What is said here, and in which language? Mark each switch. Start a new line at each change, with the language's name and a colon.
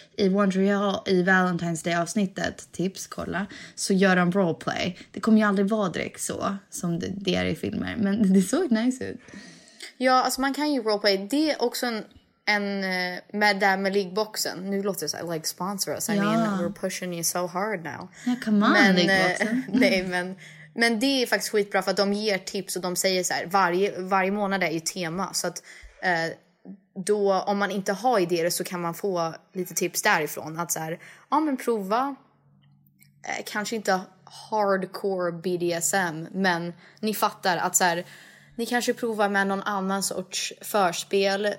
Swedish: I One Tree Hill, i Valentine's Day-avsnittet, tips, kolla, så gör de roleplay. Det kommer ju aldrig vara direkt så, som det är i filmer. Men det såg nice ut. Ja, alltså man kan ju roleplay. Det är också en med liggboxen. Nu låter det så här,
English: like, sponsor us. I mean, we're pushing you so hard now. Yeah, come on, liggboxen.
Swedish: Men det är faktiskt skitbra för att de ger tips och de säger så här, varje månad är ju tema. Så att då, om man inte har idéer så kan man få lite tips därifrån. Att så här, ja men prova, kanske inte hardcore BDSM, men ni fattar att så här, ni kanske provar med någon annan sorts förspel.